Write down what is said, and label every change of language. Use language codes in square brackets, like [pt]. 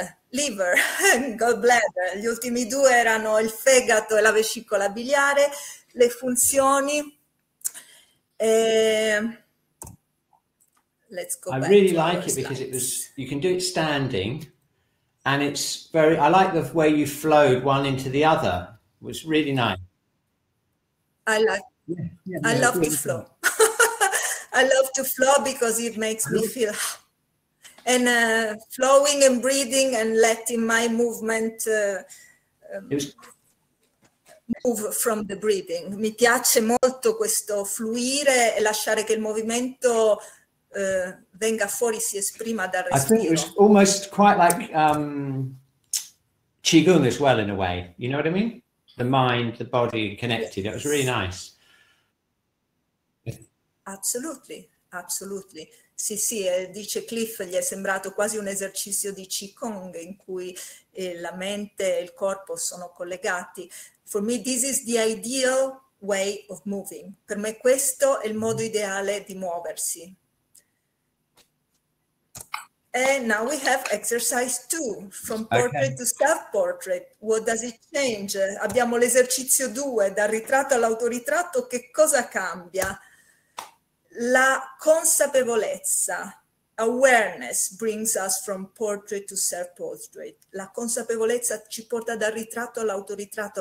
[en] liver, gallbladder, [it] gli ultimi due erano il fegato e la vescicola biliare, le funzioni. [en] Let's go. I really like it because it was, you can do it standing, and it's very, I like the way you flowed one into the other. It was really nice. I love to flow. I love to flow because it makes me feel and flowing and breathing and letting my movement move from the breathing. [it] Mi piace molto questo fluire e lasciare che il movimento venga fuori, si esprima dal respiro. [en] I think it was almost quite like Qigong as well, in a way. You know what I mean? The mind, the body connected. Yes. It was really nice. Absolutely, absolutely. [it] Sì, sì, dice Cliff, gli è sembrato quasi un esercizio di Qigong in cui la mente e il corpo sono collegati. [en] For me this is the ideal way of moving. [it] Per me questo è il modo ideale di muoversi. [en] And now we have exercise 2, from portrait to self-portrait. What does it change? [it] Abbiamo l'esercizio 2, dal ritratto all'autoritratto, che cosa cambia? La consapevolezza, [en] awareness, brings us from portrait to self-portrait. [it] La consapevolezza ci porta dal ritratto all'autoritratto.